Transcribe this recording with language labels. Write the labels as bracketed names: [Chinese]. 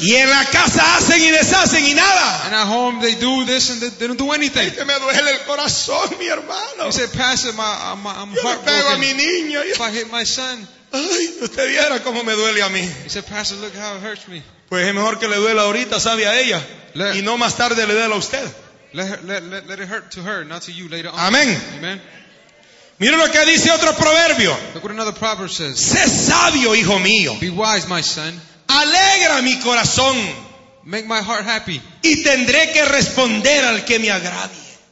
[Spanish] Y en la casa hacen y deshacen y nada. [English] And at home they do this and they don't do anything. [Spanish] Ay, que me duele el corazón, mi hermano. [English] You say, Pastor, I'm heartbroken. [Spanish] Yo le pego a mi niño. [English] If I hit my son. [Spanish] Ay, usted viera cómo me duele a mí. [English] You say, Pastor, look how it hurts me. [Spanish] Pues es mejor que le duela ahorita, sabe a ella. Y no más tarde le duela a usted. [English] Let it hurt to her, not to you later on. [Spanish] Amén. [English] Amen. [Spanish] Mira lo que dice otro proverbio. [English] Look what another proverb says. [Spanish] Sé sabio, hijo mío. [English] Be wise, my son. [Spanish] Alegra mi corazón. [English] Make my heart happy. [Spanish] Y tendré que responder al que me agravie.